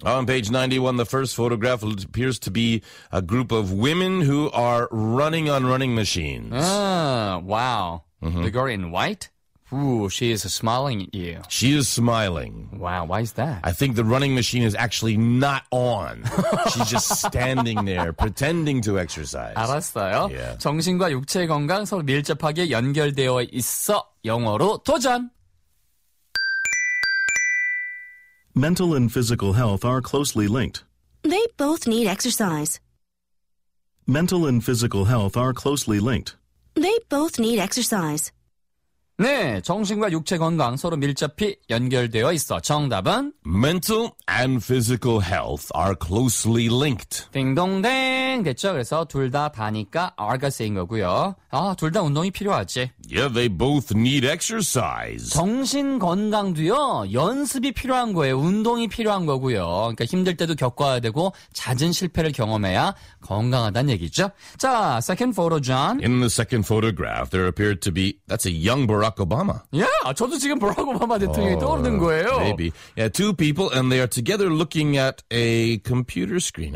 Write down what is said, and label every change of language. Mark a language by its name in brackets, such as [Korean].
[English] On page 91, the first photograph appears to be a group of women who are running on running machines. Wow. Mm-hmm. The girl in white? Ooh, she is smiling at you. She is smiling. Wow, why is that? I think the running machine is actually not on. She's just standing there, pretending to exercise. [Korean] 알았어요. [English] Yeah. [Korean] 정신과 육체 건강 서로 밀접하게 연결되어 있어. 영어로 도전! [English] Mental and physical health are closely linked. They both need exercise. Mental and physical health are closely linked. They both need exercise. [Korean] 네, 정신과 육체 건강 서로 밀접히 연결되어 있어. 정답은 [English] Mental and physical health are closely linked. [Korean] 딩동댕 됐죠. 그래서 둘 다 다니까 are가 쓰인 거고요. 아, 둘 다 운동이 필요하지. [English] Yeah, they both need exercise. [Korean] 정신 건강도요, 연습이 필요한 거예요. 운동이 필요한 거고요. 그러니까 힘들 때도 겪어야 되고 잦은 실패를 경험해야 건강하다는 얘기죠. 자, [English] second photo, John. In the second photograph, there appeared to be, that's a young Barack Obama. [Korean] Yeah, 저도 지금 Barack Obama 대통령이 떠오르는 거예요. [English] Maybe. Yeah, two people and they are together looking at a computer screen.